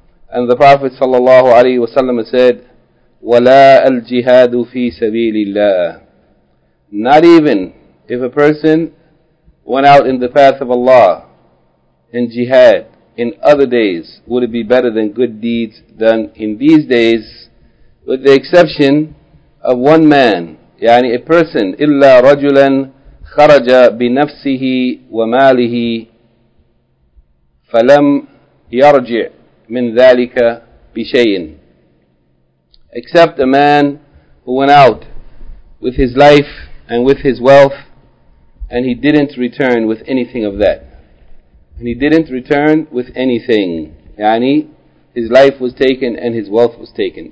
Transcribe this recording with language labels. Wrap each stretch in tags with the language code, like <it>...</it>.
<en>And the Prophet sallallahu alaihi wasallam said,</en> <ar>"Wala al-jihadu fi sabilillah."</ar> <en>Not even if a person went out in the path of Allah in jihad in other days would it be better than good deeds done in these days, with the exception of one man.</en> <ar>يعني</ar> <en>a person</en> <ar>إلا رجلا خرج بنفسه وماله فلم يرجع من ذلك بشيء.</ar> <en>Except a man who went out with his life and with his wealth, and he didn't return with anything of that. And he didn't return with anything. يعني his life was taken and his wealth was taken.</en>